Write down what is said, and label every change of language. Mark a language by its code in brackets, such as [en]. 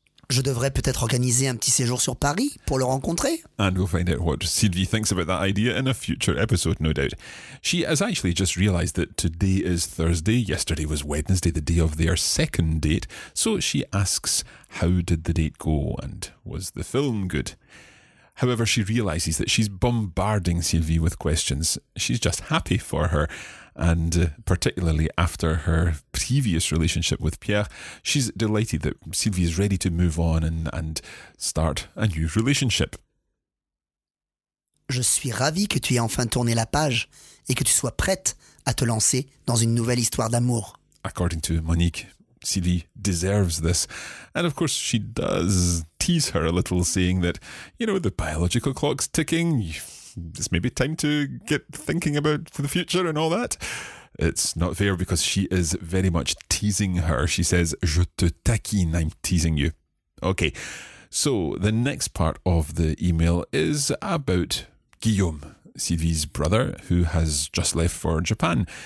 [fr] Je devrais peut-être organiser un petit séjour sur Paris pour le rencontrer. [en] And we'll find out what Sylvie thinks about that idea in a future episode, no doubt. She has actually just realised that today is Thursday, yesterday was Wednesday, the day of their second date. So she asks, how did the date go and was the film good? However, she realises that she's bombarding Sylvie with questions. She's just happy for her. And particularly after her previous relationship with Pierre, she's delighted that Sylvie is ready to move on and start a new relationship. [fr] Je suis ravie que tu aies enfin tourné la page et que tu sois prête à te lancer dans une nouvelle histoire d'amour. [en] According to Monique, Sylvie deserves this. And of course she does tease her a little, saying that, you know, the biological clock's ticking, it's maybe time to get thinking about for the future and all that. It's not fair because she is very much teasing her. She says, [fr] je te taquine, [en] I'm teasing you. Okay, so the next part of the email is about Guillaume, Sylvie's brother, who has just left for Japan.